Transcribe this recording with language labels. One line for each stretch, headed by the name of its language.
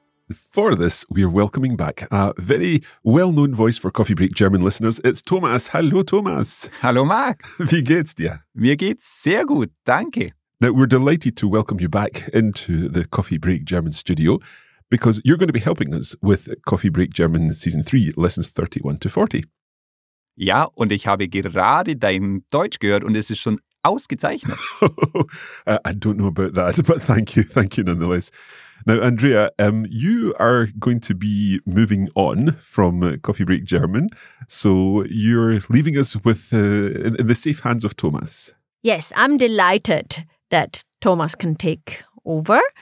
English: F- For this, we're welcoming back a very well-known voice for Coffee Break German listeners. It's Thomas. Hello, Thomas.
German: Hallo, Marc. Wie geht's dir? Mir geht's sehr gut. Danke.
English: Now, we're delighted to welcome you back into the Coffee Break German studio because you're going to be helping us with Coffee Break German Season 3, Lessons 31 to 40.
German: Ja, und ich habe gerade dein Deutsch gehört und es ist schon ausgezeichnet.
English: I don't know about that, but thank you. Thank you nonetheless. Now, Andrea, you are going to be moving on from Coffee Break German. So you're leaving us with in the safe hands of Thomas. Yes, I'm delighted that Thomas can take over.